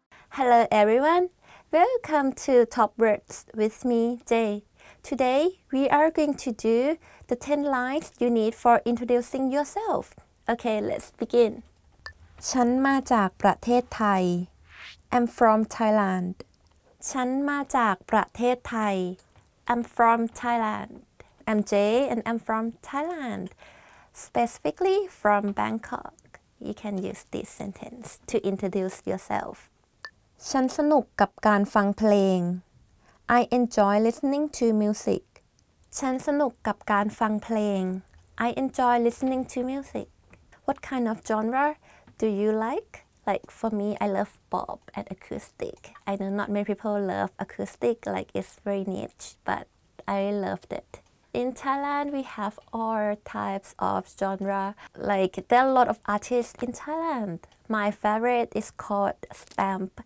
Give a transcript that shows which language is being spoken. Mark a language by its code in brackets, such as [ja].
[en] Hello everyone. Welcome to Top Words with me, Jay. Today, we are going to do the 10 lines you need for introducing yourself. Okay, let's begin. [th] ฉันมาจากประเทศไทย [en] I'm from Thailand. [th] ฉันมาจากประเทศไทย [en] I'm from Thailand. I'm Jay and I'm from Thailand. Specifically from Bangkok. You can use this sentence to introduce yourself. [th] ฉันสนุกกับการฟังเพลง [en] I enjoy listening to music. [th] ฉันสนุกกับการฟังเพลง [en] I enjoy listening to music. What kind of genre do you like? Like for me, I love pop and acoustic. I know not many people love acoustic, like it's very niche, but I loved it. In Thailand, we have all types of genre. Like there are a lot of artists in Thailand. My favorite is called Stamp.